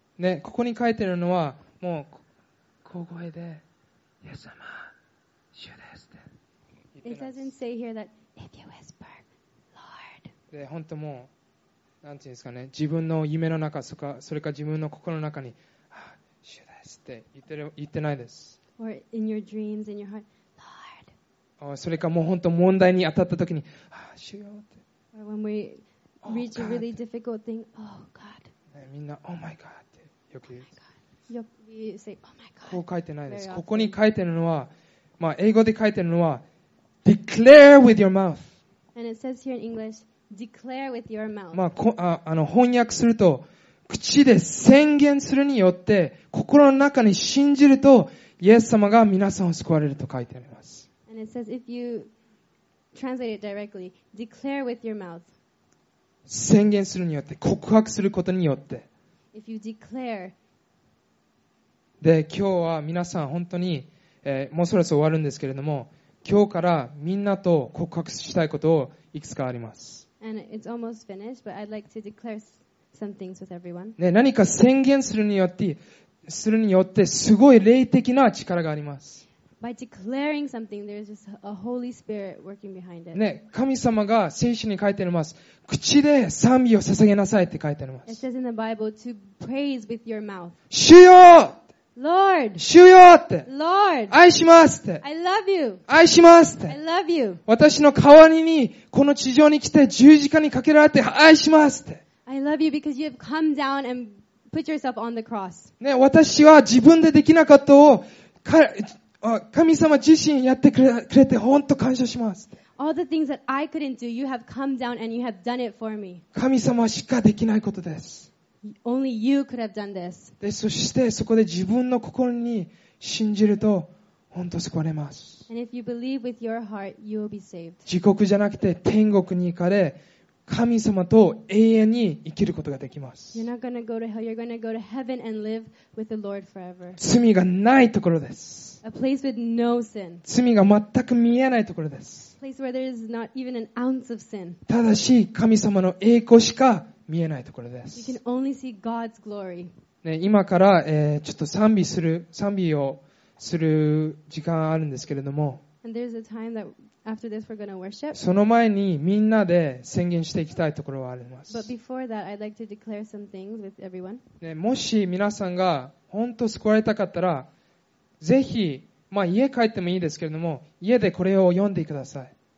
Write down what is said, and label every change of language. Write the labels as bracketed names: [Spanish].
[Japanese] ね、ここに書いてるのは、もう、小声で、イエス様、主ですって。 [English] It doesn't say here that if you whisper, Lord. [Japanese] で、本当もう、なんていうんですかね、自分の夢の中、それか自分の心の中に、あ、主ですって言ってないです。 [English] Or in your dreams, in your heart. [Japanese] それかもう本当問題に当たった時に、あ、主よって。 [English] Or when we reach a really difficult thing, oh God. [Japanese] ね、みんな、 [English] oh my God [Japanese] ってよく言う。よく言う、 [English] say, oh my God. [Japanese] こう書いてないです。ここに書いてるのは、まあ英語で書いてるのは、 [English] declare with your mouth. And it says here in English, declare with your mouth. [Japanese] まあ、翻訳すると、口で宣言するによって、心の中に信じると、イエス様が皆さんを救われると書いてあります。 [English] And it says if you translate it directly, declare with your mouth. [Japanese] 宣言するによって、告白することによって。 [English] If you declare. [Japanese] で、今日は皆さん本当に、もうそろそろ終わるんですけれども、今日からみんなと告白したいことをいくつかあります。 [English] And it's almost finished, but I'd like to declare some things with everyone. [Japanese] で、何か宣言するによって、すごい霊的な力があります。 [English] By declaring something, there's just a Holy Spirit working behind it. [Japanese] ね、神様が聖書に書いてあります。口で賛美を捧げなさいって書いてあります。 [English] It says in the Bible to praise with your mouth. [Japanese] 主よ [English] Lord. [Japanese] 主よって。 [English] Lord. [Japanese] 愛しますって。 [English] I love you. [Japanese] 愛しますって。 [English] I love you. [Japanese] 私の代わりにこの地上に来て十字架にかけられて愛しますって。 [English] I love you because you have come down and put yourself on the cross. [Japanese] ね、私は自分でできなかったを神様自身やってくれて本当感謝します。 [English] All the things that I couldn't do, you have come down and you have done it for me. [Japanese] 神様しかできないことです。 [English] Only you could have done this. [Japanese] で、そしてそこで自分の心に信じると本当救われます。 [English] And if you believe with your heart, you will be saved. [Japanese] 地獄じゃなくて天国に行かれ、神様と永遠に生きることができます。 [English] You're not gonna go to hell, you're gonna go to heaven and live with the Lord forever. [Japanese] 罪がないところです。 [English] A place with no sin. [Japanese] 罪が全く見えないところです。 [English] A place where there is not even an ounce of sin. [Japanese] ただし神様の栄光しか見えないところです。 [English] You can only see God's glory. [Japanese] ね、今から、ちょっと賛美をする時間あるんですけれども。 [English] And there's a time that after this we're gonna worship. [Japanese] その前にみんなで宣言していきたいところはあります。 [English] But before that, I'd like to declare some things with everyone. [Japanese] ね、もし皆さんが本当救われたかったら、ぜひ、まあ、家帰ってもいいですけれども、家でこれを読んでください。